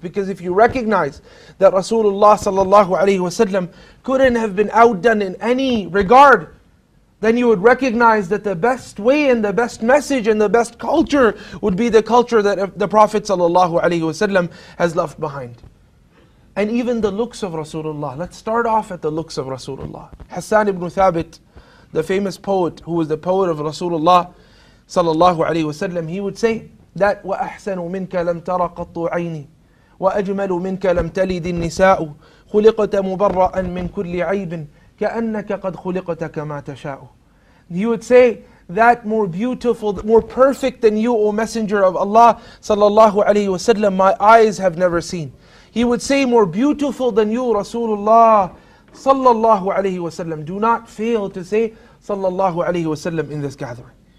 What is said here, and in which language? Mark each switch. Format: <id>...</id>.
<en>Because if you recognize that Rasulullah sallallahu alayhi wasallam couldn't have been outdone in any regard, then you would recognize that the best way and the best message and the best culture would be the culture that the Prophet sallallahu alayhi wasallam has left behind. And even the looks of Rasulullah. Let's start off at the looks of Rasulullah. Hassan ibn Thabit, the famous poet who was the poet of Rasulullah sallallahu alayhi wasallam, he would say that</en> <ar>وَأَحْسَنُ مِنْكَ لَمْ تَرَ قَطُّ عَيْنِي وَأَجْمَلُ مِنْكَ لَمْ تَلِدِ النِّسَاءُ خُلِقَتَ مُبَرَّأً مِنْ كُلِّ عَيْبٍ كَأَنَّكَ قَدْ خُلِقَتَ كَمَا تَشَاءُ.</ar> <en>He would say that more beautiful, more perfect than you, O Messenger of Allah sallallahu alayhi wa sallam, my eyes have never seen. He would say, more beautiful than you, Rasulullah sallallahu alayhi wa sallam. Do not fail to say sallallahu alayhi wa sallam in this gathering.</en>